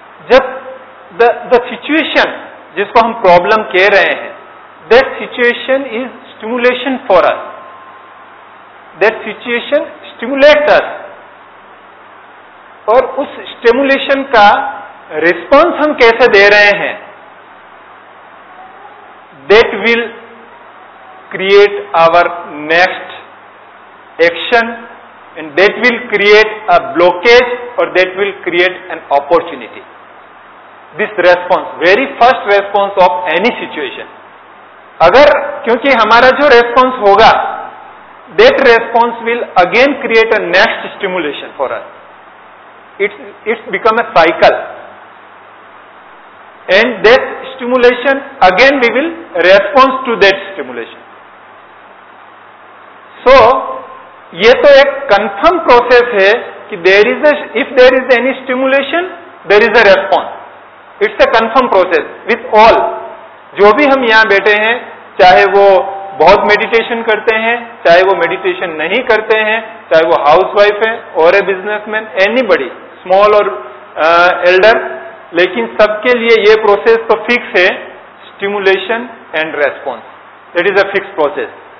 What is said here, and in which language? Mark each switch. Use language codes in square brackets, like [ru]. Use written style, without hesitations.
[en] जब the situation [hi] जिसको हम प्रॉब्लम कह रहे हैं, [en] that situation is stimulation for us, that situation stimulate us, [hi] और उस स्टिमुलेशन का रिस्पॉन्स हम कैसे दे रहे हैं, [en] That will create our next action and that will create a blockage or that will create an opportunity. This response, very first response of any situation. [hi] Agar, kyunki hamara jo response hoga, [en] that response will again create a next stimulation for us. It's become a cycle. And that stimulation, again we will response to that stimulation. So, [hi] ये तो एक confirm process है कि [en] There is if there is any stimulation there is a response. It's a confirm process with all, [hi] जो भी हम यहां बैठे हैं, चाहे वो बहुत मेडिटेशन करते हैं, चाहे वो मेडिटेशन नहीं करते हैं, चाहे वो हाउसवाइफ है और ए बिजनेसमैन, एनीबडी स्मॉल और एल्डर, लेकिन सबके लिए ये प्रोसेस तो फिक्स है, [en] Stimulation and response, that is a fix process.